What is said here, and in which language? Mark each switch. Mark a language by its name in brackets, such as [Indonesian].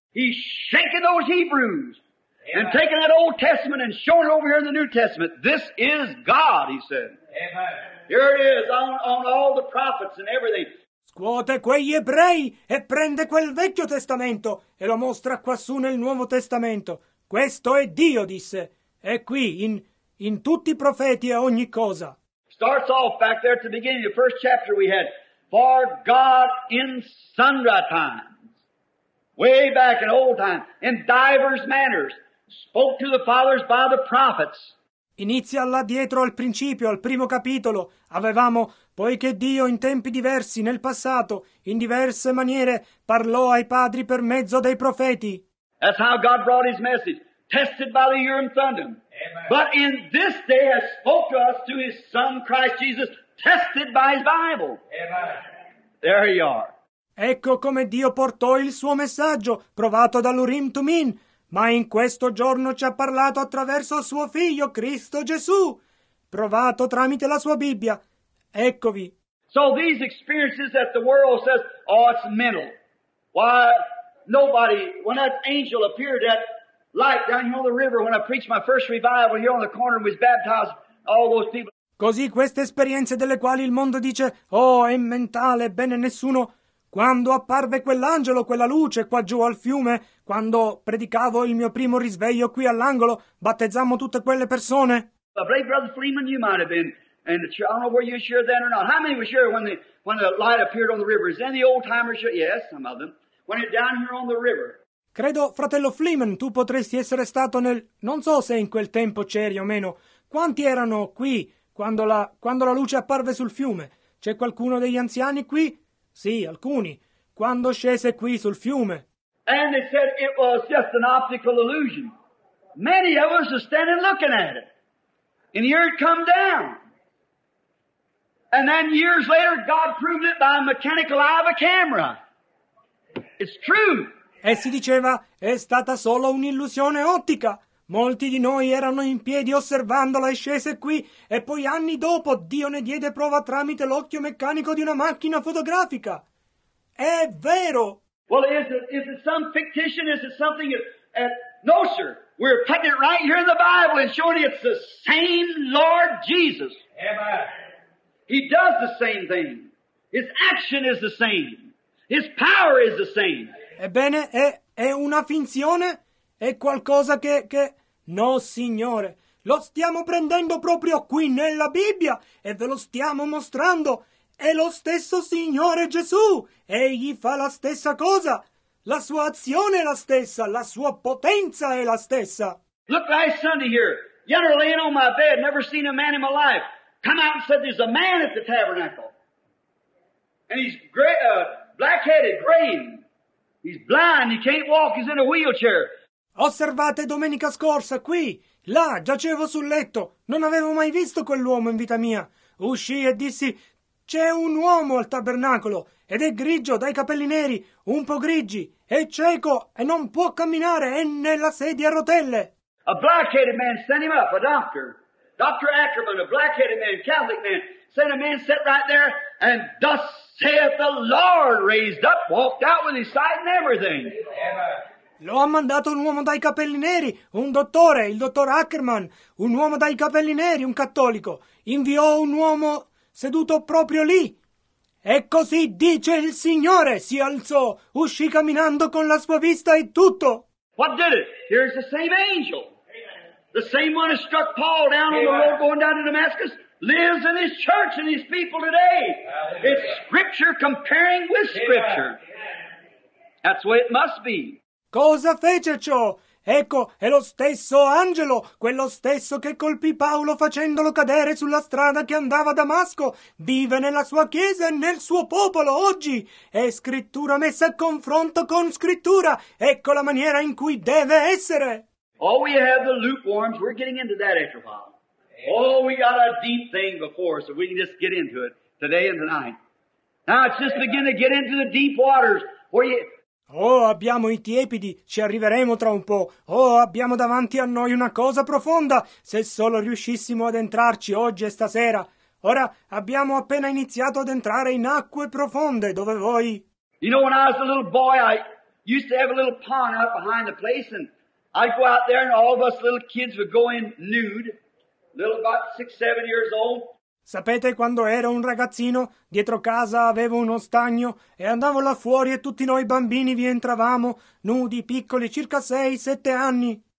[English] He's shaking those Hebrews and taking that Old Testament and showing it over here in the New Testament. This is God, he said. Here it is on all the prophets and everything. [Italian] Scuote quegli Ebrei e prende quel Vecchio Testamento e lo mostra quassù nel Nuovo Testamento. Questo è Dio, disse, è qui, in tutti i profeti e ogni cosa. [English] Starts off back there at the beginning, the first chapter we had, for God in sundry times, way back in old time, in divers manners, spoke to the fathers by the prophets. [Italian] Inizia là dietro al principio, al primo capitolo, avevamo, poiché Dio in tempi diversi, nel passato, in diverse maniere, parlò ai padri per mezzo dei profeti. [English] That's how God brought his message, tested by the Urim Thundam. Amen. But in this day has spoke to us through his son Christ Jesus, tested by his Bible. Amen. There you are. [Italian] Ecco come Dio portò il suo messaggio, provato dall'Urim Tumim, ma in questo giorno ci ha parlato attraverso suo figlio, Cristo Gesù, provato tramite la sua Bibbia. Eccovi. [English] So these experiences that the world says, oh, it's mental. Why? Nobody, when that angel appeared, that light down here on the river, when I preached my first revival here on the corner and was baptized, all those people. [Italian] Così queste esperienze delle quali il mondo dice, oh, è mentale, bene nessuno. Quando apparve quell'angelo, quella luce qua giù al fiume, quando predicavo il mio primo risveglio qui all'angolo, battezzammo tutte quelle persone. [English] I believe Brother Freeman, you might have been, and I don't know were you sure then or not. How many were sure when the light appeared on the river? Is any old timer sure? Yes, some of them. When it down here on the river. [Italian] Credo, fratello Fleeman, tu potresti essere stato nel... Non so se in quel tempo c'eri o meno. Quanti erano qui quando la luce apparve sul fiume? C'è qualcuno degli anziani qui? Sì, alcuni. Quando scese qui sul fiume? [English] And they said it was just an optical illusion. Many of us are standing looking at it. And here it come down. And then years later, God proved it by a mechanical eye of a camera. It's true. [Italian] E si diceva, è stata solo un'illusione ottica. Molti di noi erano in piedi osservandola e scese qui, e poi anni dopo Dio ne diede prova tramite l'occhio meccanico di una macchina fotografica. È vero! [English] Well, is it some fictitious? Is it something? No, sir. We're putting it right here in the Bible and showing it's the same Lord Jesus. Amen. He does the same thing. His action is the same. His power is the same. [Italian] Ebbene, è una finzione? È qualcosa che... No, signore. Lo stiamo prendendo proprio qui nella Bibbia e ve lo stiamo mostrando. È lo stesso Signore Gesù. Egli fa la stessa cosa. La sua azione è la stessa. La sua potenza è la stessa. [English] Look last Sunday here. Yonder laying on my bed. Never seen a man in my life. Come out and said there's a man at the tabernacle. And he's black-headed, grain. He's blind, he can't walk, he's in a wheelchair. [Italian] Osservate domenica scorsa, qui, là, giacevo sul letto. Non avevo mai visto quell'uomo in vita mia. Uscii e dissi, c'è un uomo al tabernacolo, ed è grigio, dai capelli neri, un po' grigi, è cieco, e non può camminare, è nella sedia a rotelle. [English] A black-headed man, send him up, a doctor. Dr. Ackerman, a black-headed man, Catholic man, sent a man sit right there and thus saith the Lord, raised up, walked out with his sight and everything. [Italian] Lo ha mandato un uomo dai capelli neri, un dottore, il dottor Ackerman, un uomo dai capelli neri, un cattolico. Inviò un uomo seduto proprio lì. E così dice il Signore, si alzò, uscì camminando con la sua vista e tutto. [English] What did it? Here's the same angel. The same one who struck Paul down on the road going down to Damascus lives in his church and his people today. It's scripture comparing with scripture. That's the way it must be. [Italian] Cosa fece ciò? Ecco, è lo stesso angelo, quello stesso che colpì Paolo facendolo cadere sulla strada che andava a Damasco, vive nella sua chiesa e nel suo popolo oggi. È scrittura messa a confronto con scrittura. Ecco la maniera in cui deve essere. [English] All we have the lukewarms, we're getting into that after a while. Oh, we got a deep thing before us, so we can just get into it today and tonight. Now it's just beginning to get into the deep waters where you... [Italian] Oh, abbiamo i tiepidi, ci arriveremo tra un po'. Oh, abbiamo davanti a noi una cosa profonda, se solo riuscissimo ad entrarci oggi e stasera. Ora, abbiamo appena iniziato ad entrare in acque profonde, dove voi... [English] You know, when I was a little boy, I used to have a little pond out behind the place, and I'd go out there and all of us little kids would go in nude, little about 6-7 years old. [Italian] Sapete, quando ero un ragazzino, dietro casa avevo uno stagno e andavo là fuori e tutti noi bambini vi entravamo, nudi, piccoli, circa 6-7 anni.